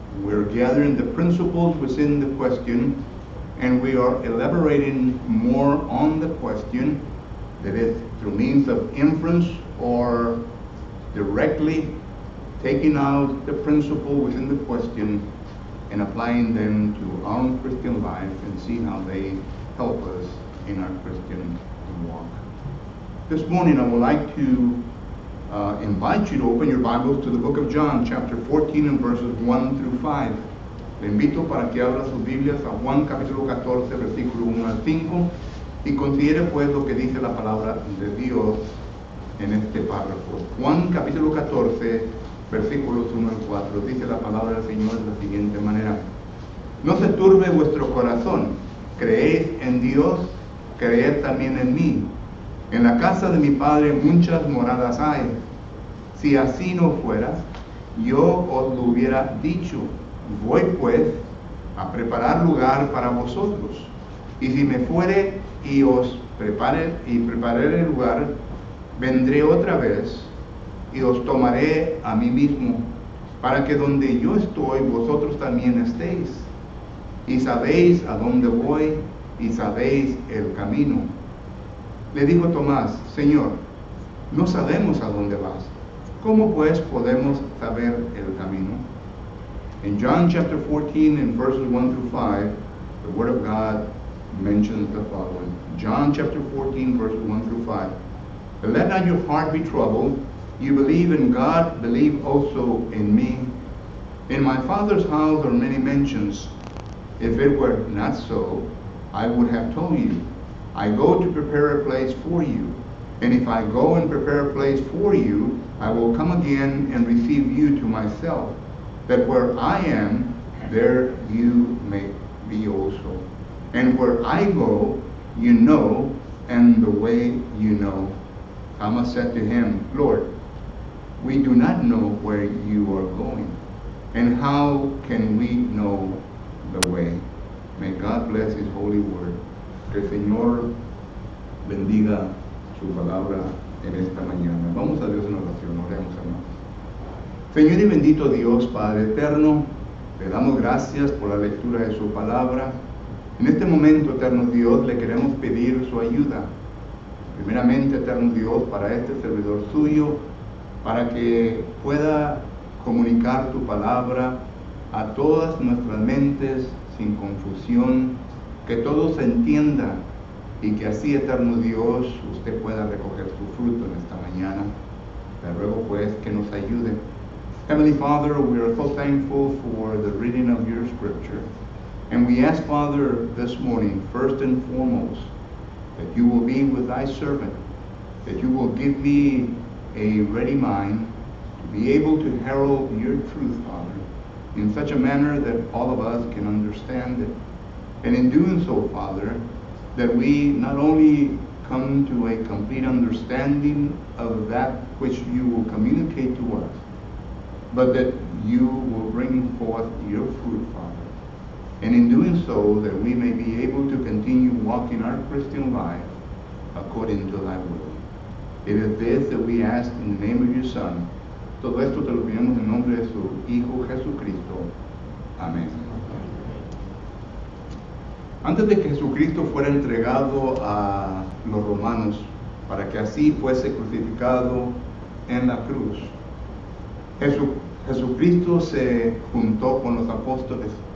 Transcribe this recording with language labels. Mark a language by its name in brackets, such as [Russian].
[English] We're gathering the principles within the question, and we are elaborating more on the question, that is, through means of inference or directly taking out the principle within the question and applying them to our own Christian life and seeing how they help us in our Christian walk. This morning I would like to invite you to open your Bibles to the book of John, chapter 14 and verses 1 through 5. [Spanish] Le invito para que abra sus Biblias a Juan capítulo 14, versículo 1 al 5, y considere pues lo que dice la palabra de Dios en este párrafo. Juan capítulo 14, versículos 1 al 4, dice la palabra del Señor de la siguiente manera. No se turbe vuestro corazón, creéis en Dios, creed también en mí. En la casa de mi Padre muchas moradas hay. Si así no fuera, yo os lo hubiera dicho. Voy pues a preparar lugar para vosotros. Y si me fuere y os prepare y prepararé el lugar, vendré otra vez y os tomaré a mí mismo, para que donde yo estoy, vosotros también estéis. Y sabéis a dónde voy y sabéis el camino. Le dijo Tomás: Señor, no sabemos a dónde vas. ¿Cómo pues podemos saber el camino? [English] In John chapter 14, in verses 1 through 5, the Word of God mentions the following. John chapter 14, verses 1 through 5. But let not your heart be troubled. You believe in God, believe also in me. In my Father's house are many mansions. If it were not so, I would have told you. I go to prepare a place for you. And if I go and prepare a place for you, I will come again and receive you to myself, that where I am, there you may be also. And where I go, you know, and the way you know. Thomas said to him, Lord, we do not know where you are going, and how can we know the way? May God bless his holy word. [Spanish] Que el Señor bendiga su palabra en esta mañana. Vamos a Dios en oración, oremos, hermanos. Señor y bendito Dios, Padre eterno, te damos gracias por la lectura de su palabra. En este momento, eterno Dios, le queremos pedir su ayuda. Primeramente, eterno Dios, para este servidor suyo, para que pueda comunicar tu palabra a todas nuestras mentes sin confusión, que todo se entienda y que así, eterno Dios, usted pueda recoger su fruto en esta mañana. Te ruego, pues, que nos ayude. [English] Heavenly Father, we are so thankful for the reading of your scripture. And we ask, Father, this morning, first and foremost, that you will be with thy servant, that you will give me a ready mind to be able to herald your truth, Father, in such a manner that all of us can understand it. And in doing so, Father, that we not only come to a complete understanding of that which you will communicate to us, but that you will bring forth your fruit, Father. And in doing so, that we may be able to continue walking our Christian life according to thy will. It is this that we ask in the name of your Son. [Spanish] Todo esto te lo pedimos en nombre de su Hijo Jesucristo. Amén. Antes de que Jesucristo fuera entregado a los romanos para que así fuese crucificado en la cruz, Jesucristo se juntó con los apóstoles.